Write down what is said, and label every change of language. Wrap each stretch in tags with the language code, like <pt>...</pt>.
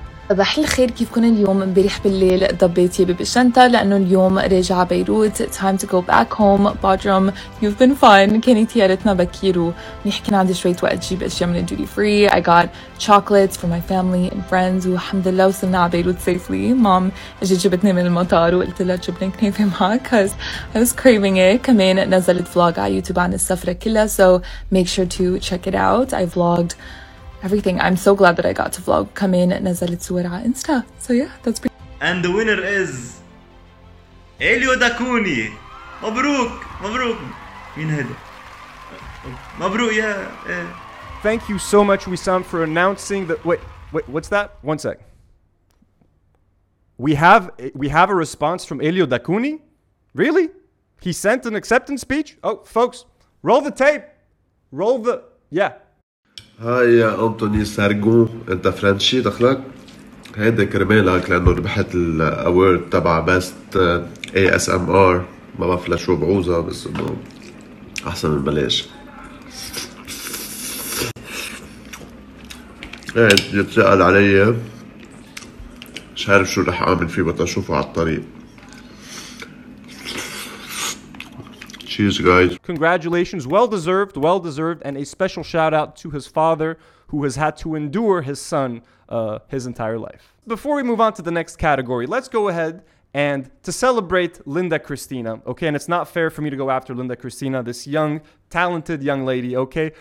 <ar>صباح الخير كيفكن اليوم امبارح بالليل ضبيتي بالشنطه لانه اليوم راجع بيروت</ar> <en>time to go back home</en> <ar>Bodrum</ar> <en>you've been fine</en> <ar>كنتي عرفتنا بكيرو نحكي عندي شويه وقت جيب اشياء من الدوتي فري</ar> <en>I got chocolates for my family and friends</en> <ar>والحمد لله وصلنا على بيروت safely mom اجت جبتني من المطار وقلت لها جبني كنافه معها</ar> <en>because I was craving it</en> <ar>كمان نزلت فلوج على يوتيوب عن السفره كلها</ar> <en>so make sure to check it out I vlogged Everything. I'm so glad that I got to vlog. Come in,</en> <ar>نزلت صور على Insta.</ar> <en>So yeah, that's pretty. And the winner is Elio Dakuni.</en> <ar>مبروك, مبروك. مين هذا؟ مبروك يا.</ar> <en>Thank you so much, Wissam, for announcing the. Wait. What's that? One sec. We have a response from Elio Dakuni. Really? He sent an acceptance speech. Oh, folks, roll the tape. Roll the. Yeah.</en> <ar>هاي يا أنتوني سارجو انت فرنشي دخلك هيدا كرمالك لانه ربحت الأورد تبع بست ASMR ما بعرف لشو بعوزة بس انه احسن من بلاش هيدا يتسأل علي مش عارف شو رح اعمل فيه بطا اشوفه على الطريق</ar> <en>Cheers, guys. Congratulations. Well deserved. And a special shout out to his father who has had to endure his son his entire life. Before we move on to the next category, let's go ahead and to celebrate Linda Cristina. Okay. And it's not fair for me to go after Linda Cristina, this young, talented young lady. Okay.</en>